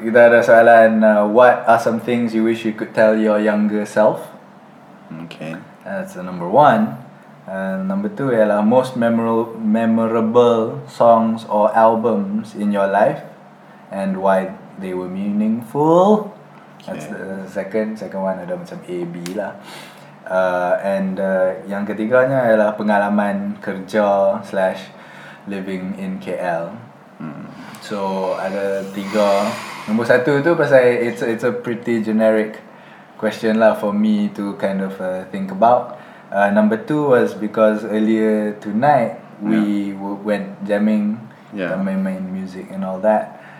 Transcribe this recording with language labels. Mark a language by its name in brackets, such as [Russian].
[Malay] Kita ada soalan, [English] what are some things you wish you could tell your younger self? Okay. That's the number one. Number two [Malay] ialah [English] most memorable songs or albums in your life and why they were meaningful. That's the second one. [Malay] Ada macam A, B lah. And yang ketiganya ialah pengalaman kerja / [English] living in KL. [Malay] So ada 3. Nombor 1 tu pasal [English] it's a pretty generic question lah for me to kind of think about. Number 2 was because earlier tonight we went jamming, [Malay] main [English] music and all that.